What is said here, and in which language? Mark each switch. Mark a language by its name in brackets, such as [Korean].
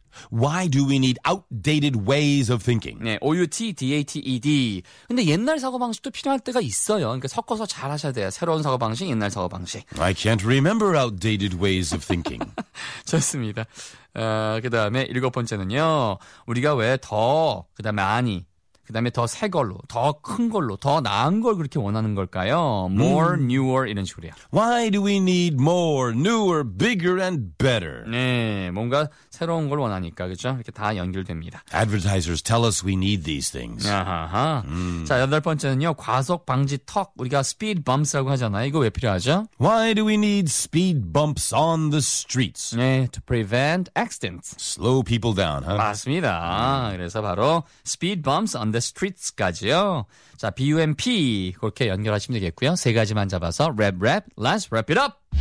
[English] Why do we need outdated ways of thinking? [Korean] 네, outdated. 근데 옛날 사고 방식도 필요할 때가 있어요. 그러니까 섞어서 잘 하셔야 돼요. 새로운 사고 방식, 옛날 사고 방식. [English] I can't remember outdated ways of thinking. [Korean] 좋습니다. 그다음에 일곱 번째는요. 우리가 왜 더 그다음에 많이 그다음에 더 새 걸로, 더 큰 걸로, 더 나은 걸 그렇게 원하는 걸까요? [English] More, newer [Korean] 이런 식으로요. [English] Why do we need more, newer, bigger and better? [Korean] 네, 뭔가 새로운 걸 원하니까 그렇죠? 이렇게 다 연결됩니다. [English] Advertisers tell us we need these things. [Korean] 아하하. 자, 여덟 번째는요. 과속 방지 턱, 우리가 speed bumps라고 하잖아요. 이거 왜 필요하죠? [English] Why do we need speed bumps on the streets? 네, to prevent accidents. Slow people down, huh? [Korean] 맞습니다. 그래서 바로 [English] speed bumps on the streets까지요. [Korean] 자, BUMP 그렇게 연결하시면 되겠고요. 세 가지만 잡아서 랩, [English] let's wrap it up!